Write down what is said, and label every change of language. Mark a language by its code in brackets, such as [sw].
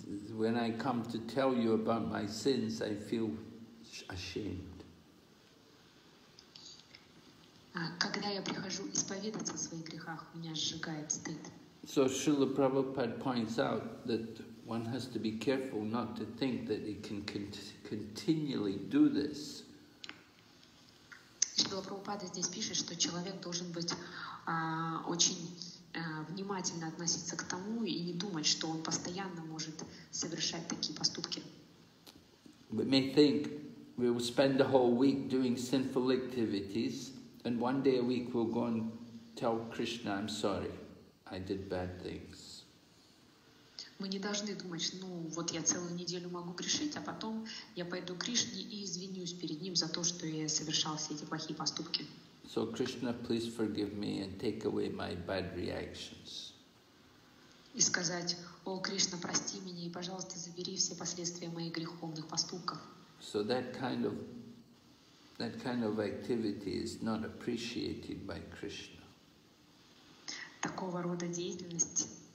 [en] When I come to tell you about my sins, I feel ashamed. [ru] Когда я прихожу исповедаться о своих грехах, меня сжигает стыд. [en] So Srila Prabhupada points out that one has to be careful not to think that he can continually do this. [ru] Шрила Прабхупада здесь пишет, что человек должен быть очень внимательно относиться к тому и не думать, что он постоянно может совершать такие поступки. [en] We may think we will spend a whole week doing sinful activities, and one day a week we'll go and tell Krishna, I'm sorry, I did bad things. [ru] Мы не должны думать, ну вот я целую неделю могу грешить, а потом я пойду к Кришне и извинюсь перед ним за то, что я совершал все эти плохие поступки. [en] So Krishna, please forgive me and take away my bad reactions. [ru] И сказать, о, Кришна, прости меня и, пожалуйста, забери все последствия моих греховных поступков. [en] So that kind of activity is not appreciated by Krishna. [ru] Такого рода деятельность